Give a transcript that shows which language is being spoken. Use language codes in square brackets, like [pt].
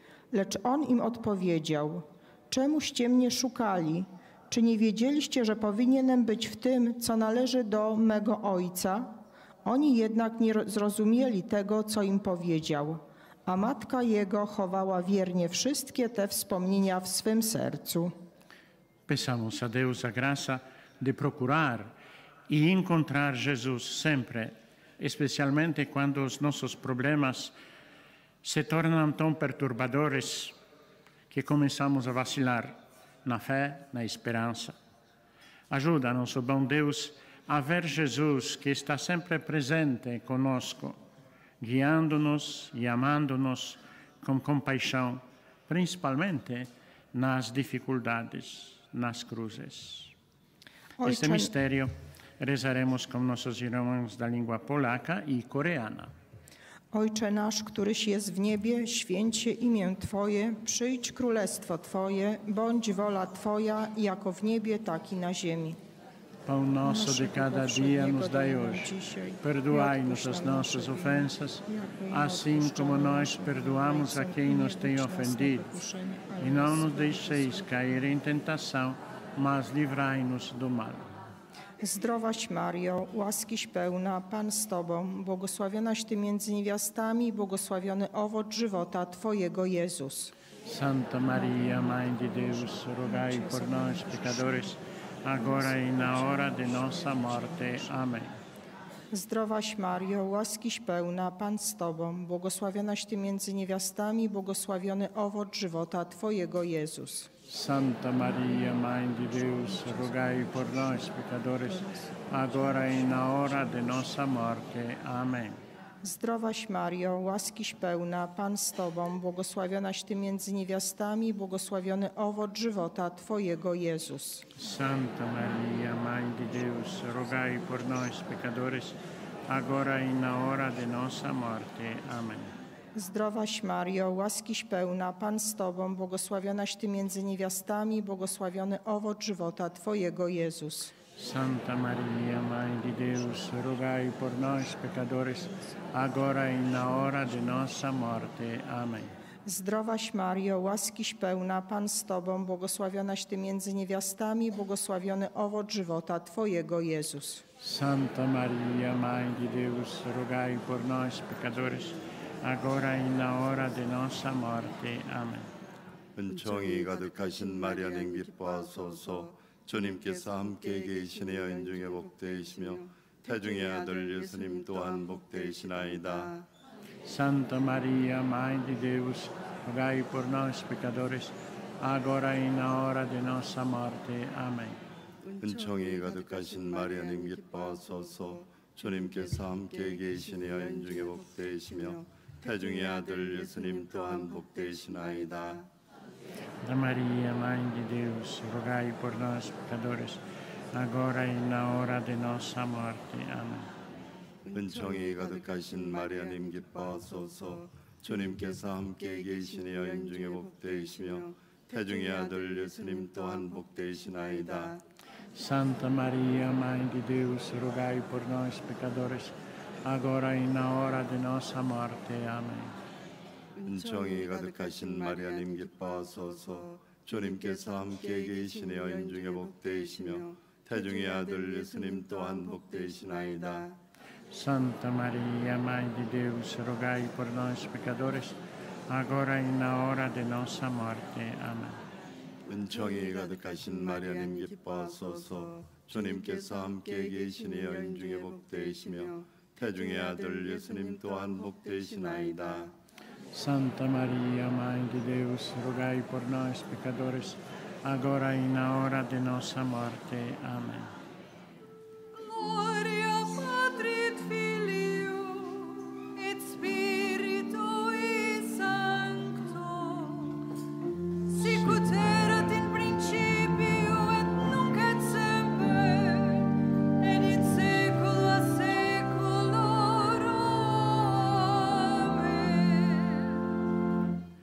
[pl] Lecz on im odpowiedział: Czemuście mnie szukali? Czy nie wiedzieliście, że powinienem być w tym, co należy do mego ojca? Oni jednak nie zrozumieli tego, co im powiedział. A matka jego chowała wiernie wszystkie te wspomnienia w swym sercu. [pt] Pensamos a Deus a graça de procurar e encontrar Jesus sempre, especialmente quando os nossos problemas se tornam tão perturbadores que começamos a vacilar na fé, na esperança. Ajuda, nosso bom Deus, a ver Jesus que está sempre presente conosco, guiando-nos e amando-nos com compaixão, principalmente nas dificuldades, nas cruzes. Ojcze, este mistério rezaremos com nossos irmãos da língua polaca e coreana. [pl] Ojcze nasz, któryś jest w niebie, święć się imię Twoje, przyjdź królestwo Twoje, bądź wola Twoja, jako w niebie, tak i na ziemi. [pt] Pão nosso de cada dia nos dai hoje. Perdoai-nos as nossas ofensas, assim como nós perdoamos a quem nos tem ofendido. E não nos deixeis cair em tentação, mas livrai-nos do mal. [pl] Zdrowaś Mario, łaskiś pełna, Pan z Tobą, błogosławionaś Ty między niewiastami, błogosławiony owoc żywota Twojego, Jezus. [pt] Santa Maria, Mãe de Deus, rogai por nós, pecadores, agora e na hora de nossa morte. Amém. [pl] Zdrowaś Mario, łaskiś pełna, Pan z Tobą, błogosławionaś Ty między niewiastami, błogosławiony owoc żywota Twojego, Jezus. [pt] Santa Maria, Mãe de Deus, rogai por nós, pecadores, agora e na hora de nossa morte. Amém. [pl] Zdrowaś Mario, łaskiś pełna, Pan z Tobą, błogosławionaś Ty między niewiastami, błogosławiony owoc żywota Twojego, Jezus. [pt] Santa Maria, Mãe de Deus, rogai por nós, pecadores, agora e na hora de nossa morte. Amém. [pl] Zdrowaś Mario, łaskiś pełna, Pan z Tobą, błogosławionaś Ty między niewiastami, błogosławiony owoc żywota Twojego, Jezus. [pt] Santa Maria, Mãe de Deus, rogai por nós, pecadores, agora e na hora de nossa morte. Amém. [pl] Zdrowaś Mario, łaskiś pełna, Pan z Tobą, błogosławionaś Ty między niewiastami, błogosławiony owoc żywota Twojego, Jezus. [pt] Santa Maria, Mãe de Deus, rogai por nós, pecadores, agora e na hora de nossa morte. Amém. [ko] 은총이 가득하신 마리아님 기뻐하소서. 주님께서 함께 계신 여인 중에 복되시며 태중의 아들 예수님 또한 복되시나이다. [pt] Santa Maria, Mãe de Deus, rogai por nós pecadores, agora e na hora de nossa morte. Amém. [ko] 은총이 가득하신 마리아님 기뻐하소서. 주님께서 함께 계신 여인 중에 복되시며 태중의 아들 예수님 또한 복되시나이다. [pt] Da Maria, Mãe de Deus, rogai por nós, pecadores, agora e na hora de nossa morte. Amém. [ko] 은총이 가득하신 마리아님 기뻐하소서. 주님께서 함께 계신 여인 중에 복되시며 태중의 아들 예수님 또한 복되시나이다. [pt] Santa Maria, Mãe de Deus, rogai por nós, pecadores, agora e na hora de nossa morte. Amém. [ko] 은총이 가득하신 마리아님 기뻐하소서. 주님께서 함께 계신 여인 중에 복되시며 태중의 아들 예수님 또한 복되시나이다. [pt] Santa Maria, Mãe de Deus, rogai por nós pecadores, agora e na hora de nossa morte. Amém. [ko] 은총이 가득하신 마리아님 기뻐하소서. 주님께서 함께 계신 여인 중에 복되시며 태중의 아들 예수님 또한 복되시나이다. [pt] Santa Maria, Mãe de Deus, rogai por nós pecadores, agora e na hora de nossa morte. Amém. [la] Glória, Patri et Filio, et Spiritui Sancto, sicut erat in principio, et nunc et semper, et in saecula saeculorum.